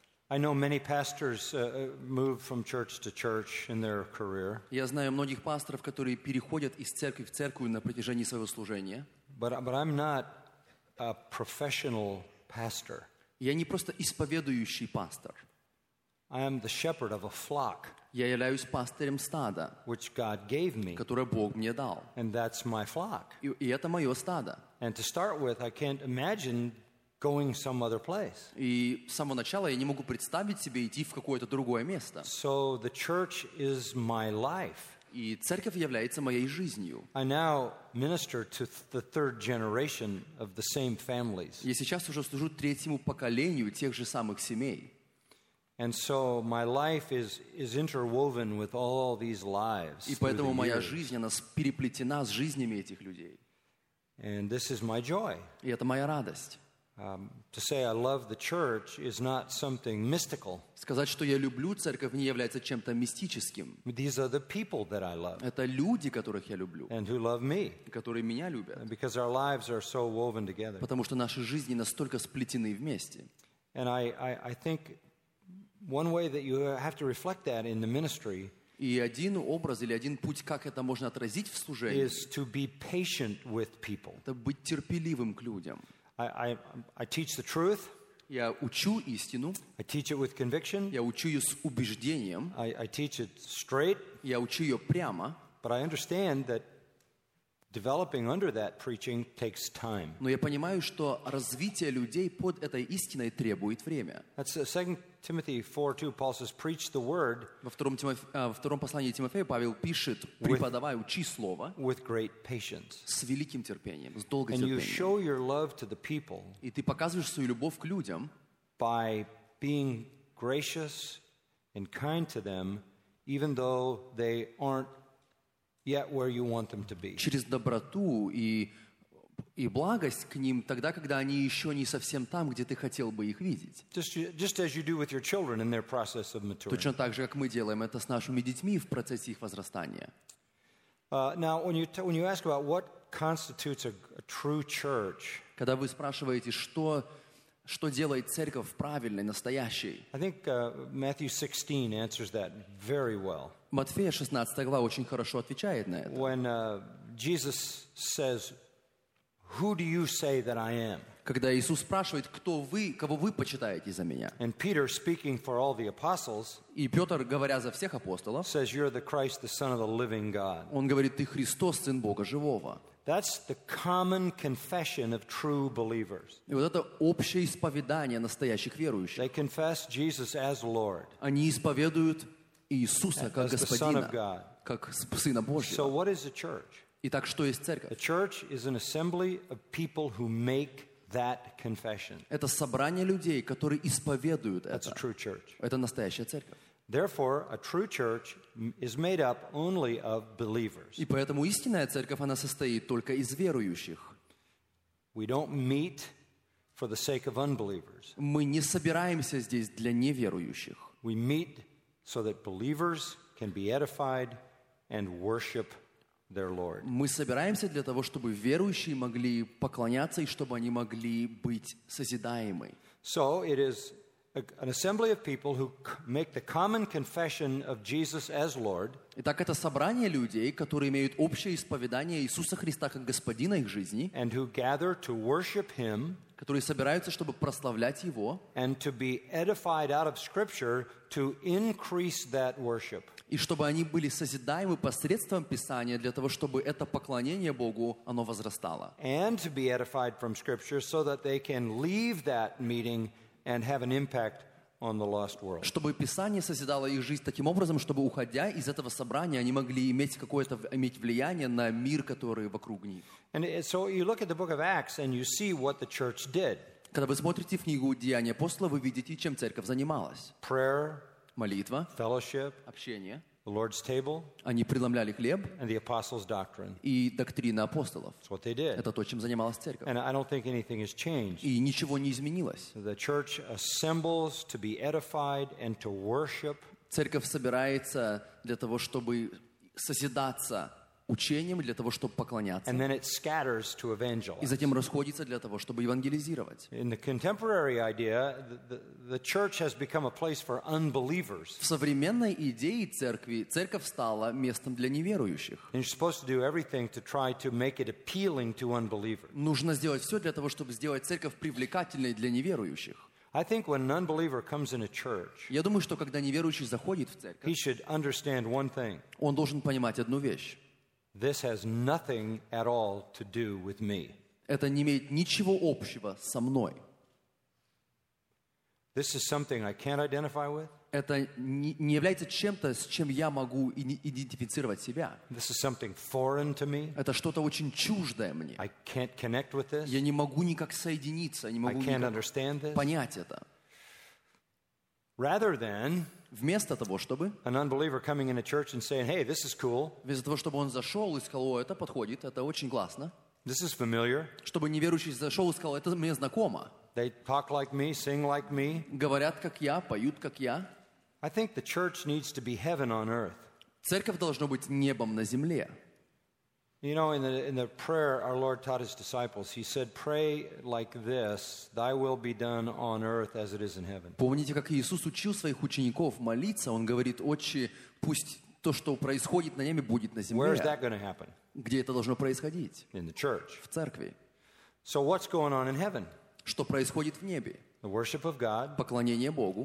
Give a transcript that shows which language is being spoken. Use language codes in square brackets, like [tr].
[en] I know many pastors move from church to church in their career. [ru] Я знаю многих пасторов, которые переходят из церкви в церковь на протяжении своего служения. [en] But I'm not a professional pastor. [ru] Я не просто исповедующий пастор. [en] I am the shepherd of a flock. [ru] Я являюсь пастырем стада, [en] which God gave me. [ru] Которое Бог мне дал. [en] And that's my flock. [ru] И это мое стадо. [en] And to start with, I can't imagine going some other place. [ru] И с самого начала я не могу представить себе идти в какое-то другое место. [en] So the church is my life. [ru] И церковь является моей жизнью. [en] I now minister to the third generation of the same families. [ru] Я сейчас уже служу третьему поколению тех же самых семей. [en] And so my life is interwoven with all these lives. [ru] И поэтому моя жизнь, она переплетена с жизнями этих людей. [en] And this is my joy. [ru] И это моя радость. [en] To say I love the church is not something mystical. [ru] Сказать, что я люблю церковь, не является чем-то мистическим. [en] These are the people that I love. [ru] Это люди, которых я люблю. [en] And who love me. [ru] Которые меня любят. [en] Because our lives are so woven together. [ru] Потому что наши жизни настолько сплетены вместе. [en] And I think one way that you have to reflect that in the ministry. [ru] И один образ или один путь, как это можно отразить в служении. [en] Is to be patient with people. [ru] Это быть терпеливым к людям. [en] I teach the truth. [ru] Я учу истину. [en] I teach it with conviction. [ru] Я учу ее с убеждением. [en] I teach it straight. [ru] Я учу ее прямо. [en] But I understand that developing under that preaching takes time. [ru] Но я понимаю, что развитие людей под этой истиной требует время. [en] That's 2 Timothy 4:2. Paul says, "Preach the word." [ru] Во втором послании Тимофею Павел пишет: «Преподавай, учи слово». [en] With great patience. [ru] С великим терпением, с долгим терпением. [en] And you show your love to the people. [ru] И ты показываешь свою любовь к людям. [en] By being gracious and kind to them, even though they aren't yet where you want them to be. [ru] Через доброту и благость к ним тогда, когда они еще не совсем там, где ты хотел бы их видеть. [en] Just as you do with your children in their process of maturity. [ru] Точно так же, как мы делаем это с нашими детьми в процессе их возрастания. [en] Now, when you ask about what constitutes a true church, [ru] когда вы спрашиваете, что делает церковь правильной, настоящей, [en] I think Matthew 16 answers that very well. [ru] Матфея 16 глава очень хорошо отвечает на это. [en] When Jesus says, Who do you say that I am? [ru] Когда Иисус спрашивает, кто вы, кого вы почитаете за меня? [en] And Peter, speaking for all the apostles, [ru] и Петр, говоря за всех апостолов, [en] says, You're the Christ, the Son of the living God. [ru] Он говорит, ты Христос, Сын Бога Живого. [en] That's the common confession of true believers. [ru] И вот это общее исповедание настоящих верующих. [en] They confess Jesus as Lord. [ru] Они исповедуют Иисуса как Господина, [en] the Son of God. [ru] Как Сына Божьего. [en] So what is a church? [ru] Итак, что есть церковь? [en] A church is an assembly of people who make that confession. [ru] Это собрание людей, которые исповедуют это. [en] That's a true church. [ru] Это настоящая церковь. [en] Therefore, a true church is made up only of believers. [ru] И поэтому истинная церковь, она состоит только из верующих. [en] We don't meet for the sake of unbelievers. [ru] Мы не собираемся здесь для неверующих. [en] We meet so that believers can be edified and worship their Lord. [ru] Мы собираемся для того, чтобы верующие могли поклоняться и чтобы они могли быть созидаемы. [en] So it is an assembly of people who make the common confession of Jesus as Lord. [ru] Итак, это собрание людей, которые имеют общее исповедание Иисуса Христа как Господина их жизни, [en] and who gather to worship Him, [ru] которые собираются, чтобы прославлять Его, [en] and to be edified out of Scripture to increase that worship. [ru] И чтобы они были созидаемы посредством Писания для того, чтобы это поклонение Богу, оно возрастало. [en] And to be edified from Scripture so that they can leave that meeting and have an impact on the lost world. [ru] Чтобы Писание созидало их жизнь таким образом, чтобы, уходя из этого собрания, они могли иметь какое-то иметь влияние на мир, который вокруг них. [en] And so you look at the book of Acts and you see what the church did. [ru] Когда вы смотрите в книгу Деяния апостолов, вы видите, чем церковь занималась. [en] Prayer, [ru] молитва, [en] fellowship, [ru] общение, [en] the Lord's table, [ru] они преломляли хлеб, [en] and the apostles' doctrine. [ru] И доктрина апостолов. [en] That's what they did. [ru] Это то, чем занималась церковь. [en] And I don't think anything has changed. [ru] И ничего не изменилось. [en] The church assembles to be edified and to worship. [ru] Церковь собирается для того, чтобы созидаться учением, для того, чтобы поклоняться. [en] And then it scatters to evangelize. [ru] И затем расходится для того, чтобы евангелизировать. [en] In the contemporary idea, the church has become a place for unbelievers. [ru] В современной идее церковь стала местом для неверующих. [en] And you're supposed to do everything to try to make it appealing to unbelievers. [ru] Нужно сделать все для того, чтобы сделать церковь привлекательной для неверующих. [en] I think when an unbeliever comes in a church, [ru] я думаю, что когда неверующий заходит в церковь, [en] he should understand one thing. [ru] Он должен понимать одну вещь. [en] This has nothing at all to do with me. [ru] Это не имеет ничего общего со мной. [en] This is something I can't identify with. [ru] это не является чем-то, с чем я могу идентифицировать себя. [en] This is something foreign to me. [ru] Это что-то очень чуждое мне. [en] I can't connect with this. [ru] Я не могу никак соединиться, не могу [en] I can't understand this. [ru] Понять это. [en] Rather than [ru] вместо того, чтобы [en] an unbeliever coming into church and saying, "Hey, this is cool." [ru] Вместо того, чтобы он зашел и сказал, "О, это подходит, это очень классно." [en] This is familiar. [ru] Чтобы неверующий зашел и сказал, "Это мне знакомо." [en] They talk like me, sing like me. [ru] Говорят как я, поют как я. [en] I think the church needs to be heaven on earth. [ru] Церковь должна быть небом на земле. [en] You know, in the prayer our Lord taught his disciples, he said, "Pray like this: Thy will be done on earth as it is in heaven." [ru] Помните, как Иисус учил своих учеников молиться? Он говорит: «Отче, пусть то, что происходит на небе, будет на земле». [en] Where is that going to happen? [ru] Где это должно происходить? [en] In the church. [ru] В церкви. [en] So what's going on in heaven? [ru] Что происходит в небе? [en] The worship of God, [ru] поклонение Богу,